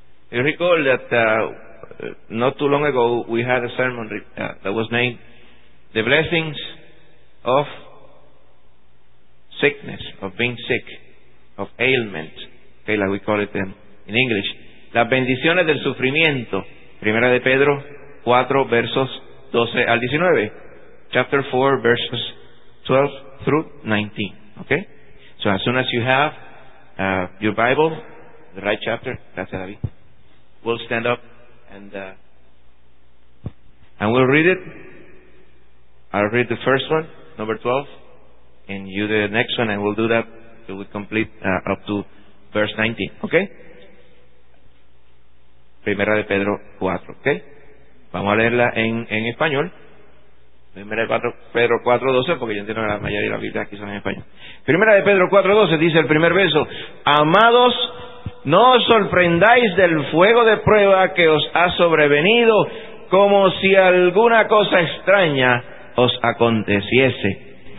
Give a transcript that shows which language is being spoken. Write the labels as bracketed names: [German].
[English] You recall that not too long ago we had a sermon that was named The Blessings of Sickness, of being sick, of ailment, okay, like we call it in English. [Spanish] Las bendiciones del sufrimiento, Primera de Pedro 4, versos 12 al 19. [English] Chapter 4, verses 12 through 19. Okay? So as soon as you have your Bible, the right chapter, [Spanish] gracias [English] David, we'll stand up and we'll read it. I'll read the first one, number 12, and you the next one, and we'll do that till we complete up to verse 19. Okay? [Spanish] Primera de Pedro 4, okay? Vamos a leerla en español. Primera de Pedro 4:12, porque yo entiendo que la mayoría de las Biblias aquí son en español. Primera de Pedro 4:12 dice el primer verso: Amados, no os sorprendáis del fuego de prueba que os ha sobrevenido, como si alguna cosa extraña os aconteciese.